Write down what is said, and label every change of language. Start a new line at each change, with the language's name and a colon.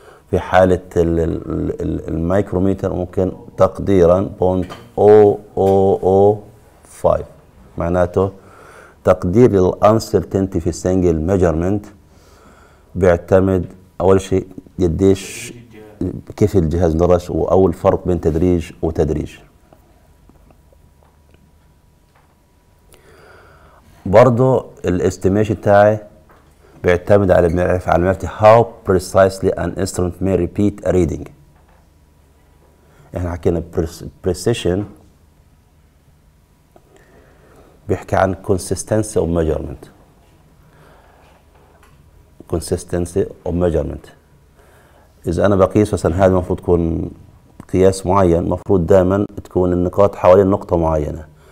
Arabic: في حاله الميكروميتر ممكن تقديرا 0.005. معناته تقدير الانسرتينتي في سنجل ميجرمنت بيعتمد اول شيء قديش كيف الجهاز درس، وأول فرق بين تدريج وتدريج. برضو الاستيميشن تاعي بيعتمد على معرفتي
English: how precisely an instrument may repeat a reading.
Arabic: احنا حكينا precision بيحكي عن
English: consistency of measurement. consistency of measurement
Arabic: إذا أنا بقيس مثلا هذا المفروض يكون قياس معين، مفروض دائما تكون النقاط حوالين نقطة معينة.